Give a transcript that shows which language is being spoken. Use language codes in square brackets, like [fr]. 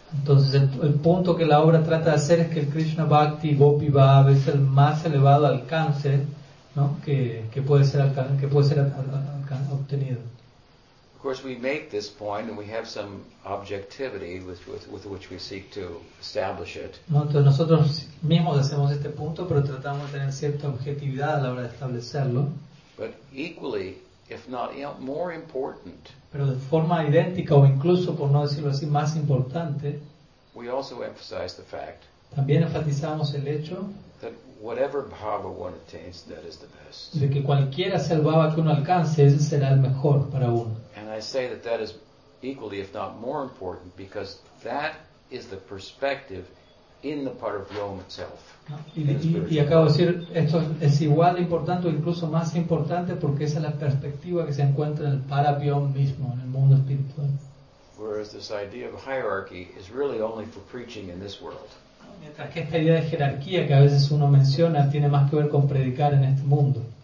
[es] Entonces el punto que la obra trata de hacer es que el Krishna Bhakti Gopi Bhava es el más elevado alcance, ¿no? que puede ser obtenido. [en] Of course, we make this point, and we have some objectivity with which we seek to establish it. [es] No, entonces nosotros mismos hacemos este punto, pero tratamos de tener cierta objetividad a la hora de establecerlo. [en] But equally, if not more important. [es] Pero de forma idéntica o incluso, por no decirlo así, más importante. [en] We also emphasize the fact. [es] También enfatizamos el hecho. [en] That whatever bhava one attains, that is the best. [es] De que cualquiera sea el bhava que uno alcance, ese será el mejor para uno. [en] And I say that that is equally, if not more important, because that is the perspective in the part of Rome itself. [es] Y acabo de decir, esto es igual de importante o incluso más importante porque esa es la perspectiva que se encuentra en el parabión mismo, en el mundo espiritual. [en] Whereas this idea of hierarchy is really only for preaching in this world. [es] Mientras que esta idea de jerarquía que a veces uno menciona tiene más que ver con predicar en este mundo.